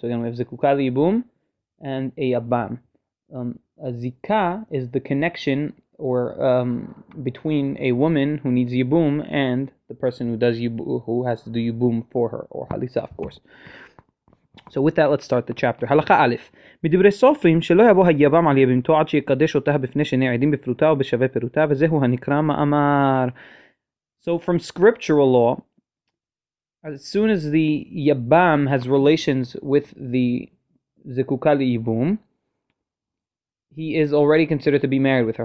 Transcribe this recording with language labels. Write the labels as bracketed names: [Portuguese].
[English] So again, we have Zikuka Yibum and a Yabam. A Zika is the connection or between a woman who needs Yibum and the person who does who has to do Yibum for her, or Halisa, of course. So with that, let's start the chapter. Halakha Aleph. [Hebrew] מדברי סופרים שלא יבוא היבם על יבימתו עד שיקדש אותה בפני שני עדים בפרוטה ובשווה פרוטה וזהו הנקרא מאמר. [English] So from scriptural law, as soon as the yabam has relations with the zekuka liyibum, he is already considered to be married with her.